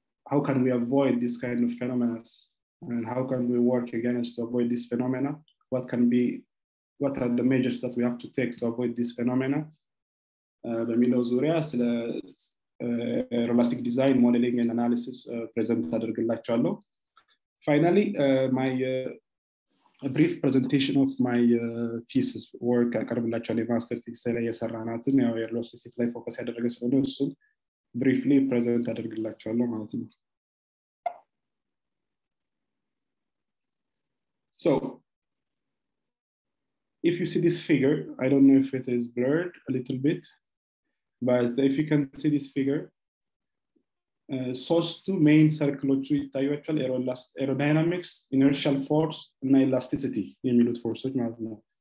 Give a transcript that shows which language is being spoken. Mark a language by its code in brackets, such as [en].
[en] how can we avoid this kind of phenomena and how can we work against to avoid this phenomena what are the measures that we have to take to avoid this phenomena [am] በሚለው ዙሪያ ስለ [en] aeroelastic design modeling and analysis present [am] adergillachallo [en] finally my a brief presentation of my thesis work [am] አቀርብላችኋለሁ የማስተር ቲሲስ ላይ የሰራናትን ያው ኤሮስፔስ ላይ ፎከስ ያደረገ ስለሆነ እሱ [en] briefly present [am] አደርግላችኋለሁ ማለት ነው. [en] So if you see this figure, I don't know if it is blurred a little bit, but if you can see this figure, [am] ሶስቱ ሜን ሰርክሎቹ ይታያቸዋል [en] aerodynamics, inertial force እና elasticity [am] የሚሉት ፎርሶች ማለት ነው.